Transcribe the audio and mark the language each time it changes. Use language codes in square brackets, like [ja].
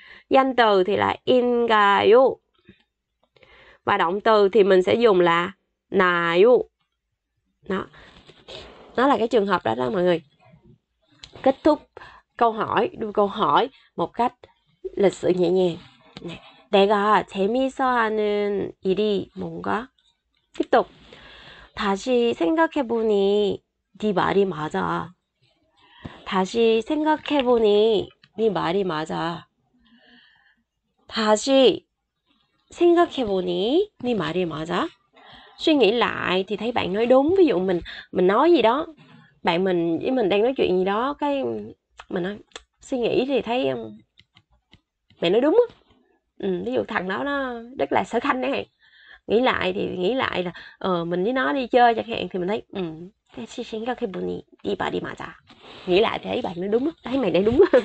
[vi] Danh từ thì là in cài u, và động từ thì mình sẽ dùng là nài u. Đó, nó là cái trường hợp đó đó mọi người. Kết thúc câu hỏi, đưa câu hỏi một cách lịch sự nhẹ nhàng. [ko] 내가 재미있어하는 일이 뭔가? [vi] tiếp tục. [ko] 다시 생각해보니 네 말이 맞아. 다시 생각해보니 네 말이 맞아. 다시 생각해보니 네 말이 맞아. [vi] Suy nghĩ lại thì thấy bạn nói đúng. Ví dụ mình nói gì đó, bạn mình với mình đang nói chuyện gì đó, cái mình nói, suy nghĩ thì thấy mẹ nói đúng á. Ví dụ thằng đó nó rất là sở khanh đấy, nghĩ lại thì nghĩ lại là mình với nó đi chơi chẳng hạn, thì mình thấy cái suy nghĩ các cái bunny đi bà đi mà già, nghĩ lại thì thấy bạn nói đúng, thấy mày nói đúng.